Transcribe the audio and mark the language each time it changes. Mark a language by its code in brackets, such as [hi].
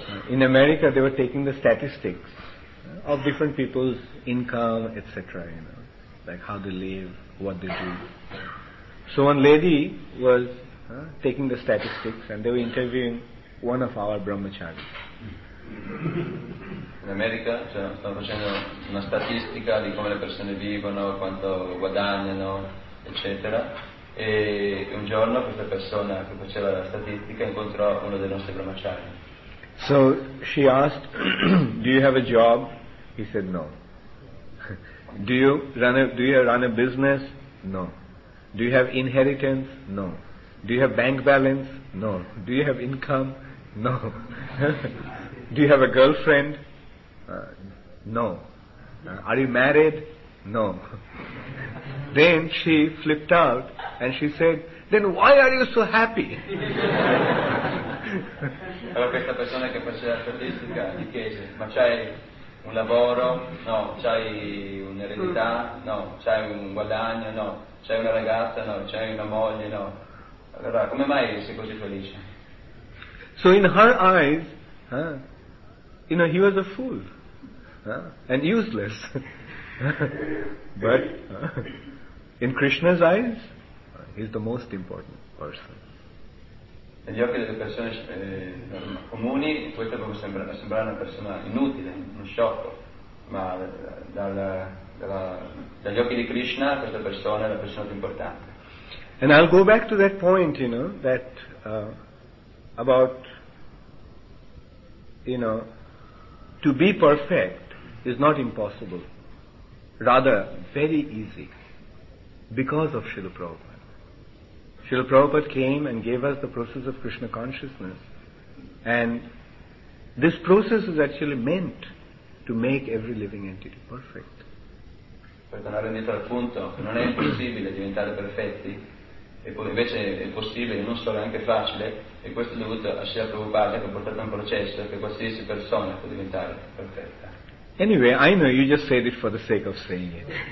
[en] In America, they were taking the statistics of different people's income, etc., like how they live, what they do. So one lady was taking the statistics, and they were interviewing one of our brahmacharis. [it] In America, stanno facendo una statistica di come le persone vivono, quanto guadagnano, eccetera. E un giorno questa persona che faceva la statistica incontrò uno dei nostri brahmacharis. [en] So she asked, do you have a job? He said, no. Do you run a business? No. Do you have inheritance? No. Do you have bank balance? No. Do you have income? No. Do you have a girlfriend? No. Are you married? No. Then she flipped out and she said, then why are you so happy? [it] Allora questa persona che faceva statistica gli chiese, ma c'hai un lavoro? No. C'hai un'eredità? No. C'hai un guadagno? No. C'hai una ragazza? No. C'hai una moglie? No. Allora, come mai sei così felice? [en] So in her eyes, you know, he was a fool and useless. But in Krishna's eyes, he's the most important person. [it] Negli occhi delle persone comuni, questa può sembrare una persona inutile, un sciocco, ma dagli occhi di Krishna questa persona è la persona più importante. [en] And I'll go back to that point, you know, that about, you know, to be perfect is not impossible. Rather, very easy, because of Srila Prabhupada. Srila Prabhupada came and gave us the process of Krishna consciousness, and this process is actually meant to make every living entity perfect. [it] Per tornare indietro al punto, non è impossibile diventare perfetti, e poi invece è possibile, non solo, è anche facile, e questo è dovuto a Srila Prabhupada che ha portato un processo che qualsiasi persona può diventare perfetta. [en] Anyway, I know you just said it for the sake of saying it.